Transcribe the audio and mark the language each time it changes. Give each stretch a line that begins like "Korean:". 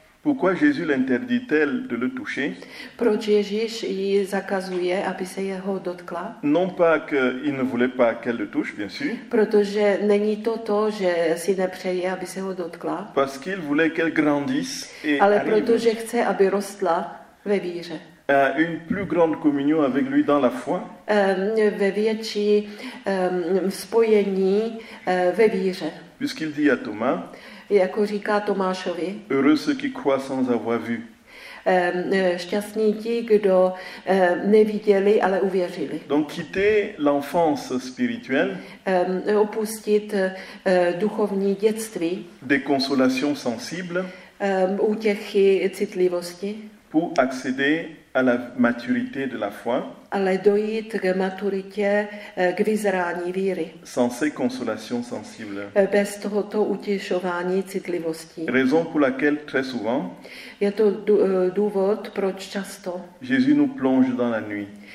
French: Pourquoi Jésus l'interdit-elle de le toucher?
Czech: Proč Ježíš jí zakazuje, aby se jeho dotkla?
French: Non pas qu'il ne voulait pas qu'elle le touche, bien sûr.
Czech: Protože není to, že si nepřeje, aby se ho dotkla.
French: Parce qu'il voulait qu'elle grandisse et
Czech: ale protože chce, aby rostla ve víře.
French: Une plus grande communion avec lui dans la foi.
Czech: Ve větší spojení ve víře.
French: Puisqu'il dit à Thomas.
Czech: Jako říká Tomášovi.
French: Heureux ceux qui croient sans avoir vu.
Czech: Šťastní ti, kdo neviděli, ale uvěřili.
French: Donc quitter l'enfance spirituelle.
Czech: Opustit duchovní dětství.
French: Des consolations sensibles.
Czech: Útěchy citlivosti.
French: Pour accéder à la maturité de la foi.
Czech: Ale dojít k maturitě, k vyzrání víry.
French: Sans ces consolations sensibles.
Czech: Bez tohoto utěšování citlivosti.
French: Raison pour laquelle très souvent.
Czech: Je to důvod, proč často.
French: Jésus nous plonge dans la nuit.